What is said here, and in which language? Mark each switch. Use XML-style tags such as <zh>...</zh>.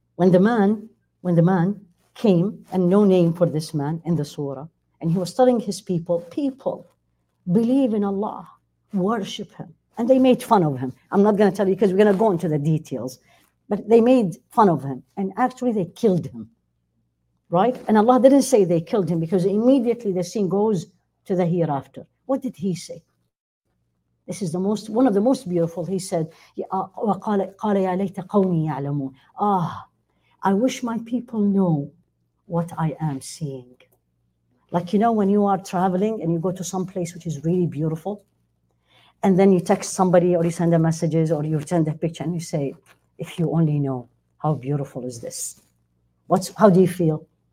<en>When the man came, and no name for this man in the surah, and he was telling his people, believe in Allah, worship Him. And they made fun of Him. I'm not going to tell you because we're going to go into the details. But they made fun of Him. And actually they killed Him. Right? And Allah didn't say they killed Him, because immediately the scene goes to the hereafter. What did He say? This is one of the most beautiful. He said,</en> <ar>وَقَالَ يَا لَيْتَ قَوْمِي يَعْلَمُونَ.</ar> <en>Ah, I wish my people know what I am seeing. Like, you know, when you are traveling and you go to some place which is really beautiful, and then you text somebody or you send them messages or you send a picture and you say, if you only know how beautiful is this. How do you feel?</en>